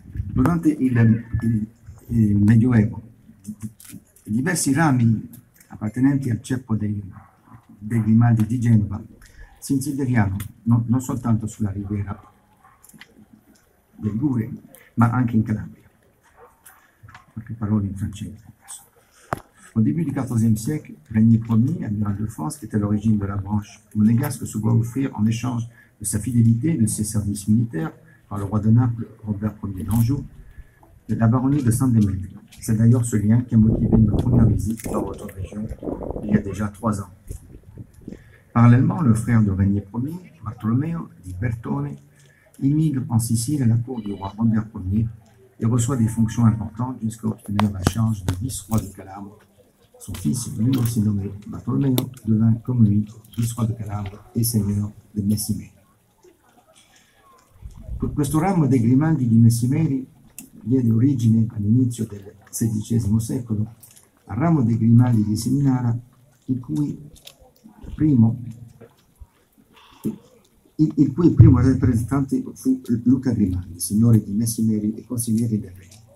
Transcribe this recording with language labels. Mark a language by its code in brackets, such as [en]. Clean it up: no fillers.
[it] Durante il Medioevo, diversi rami appartenenti al ceppo dei Grimaldi di Genova si insediarono non soltanto sulla riviera Ligure, ma anche in Calabria. Qualche parola in francese. [fr] Au début du XIVe siècle, Régnier Ier, amiral de France, qui était à l'origine de la branche monégasque, se voit offrir en échange de sa fidélité et de ses services militaires par le roi de Naples, Robert Ier d'Anjou, la baronnie de Saint-Démy. C'est d'ailleurs ce lien qui a motivé ma première visite dans votre région il y a déjà 3 ans. Parallèlement, le frère de Régnier Ier, Bartolomeo di Bertone, immigre en Sicile à la cour du roi Robert Ier et reçoit des fonctions importantes jusqu'à obtenir la charge de vice-roi de Calabre. Son fils, lui aussi nommé Bartolomeo, devint comme lui vice-roi de Calabre et seigneur de Messimée. [it] Questo ramo dei Grimaldi di Messimeri diede origine all'inizio del XVI secolo al ramo dei Grimaldi di Seminara, il cui primo rappresentante fu Luca Grimaldi, signore di Messimeri e consigliere del re.